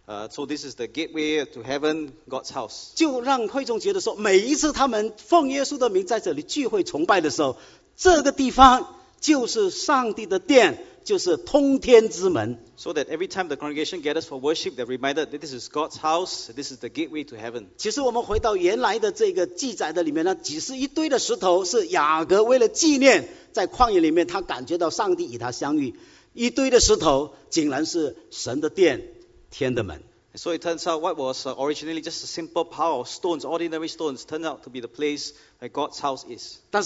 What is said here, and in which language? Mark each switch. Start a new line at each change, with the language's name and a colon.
English: so this is the gateway to heaven, God's house.
Chinese: 就让会众觉得说, 每一次他们奉耶稣的名在这里聚会崇拜的时候, 这个地方就是上帝的殿, 就是通天之门。
English: So that every time the congregation gathers for worship, they're reminded that this is God's house, this is the gateway to heaven.
Chinese: 其实我们回到原来的这个记载的里面呢, 只是一堆的石头, 是雅各为了纪念, 在旷野里面, 他感觉到上帝与他相遇, 一堆的石头, 竟然是神的殿, 天的门。
English: So it turns out what was originally just a simple pile of stones, ordinary stones, turned out to be the place where God's house is.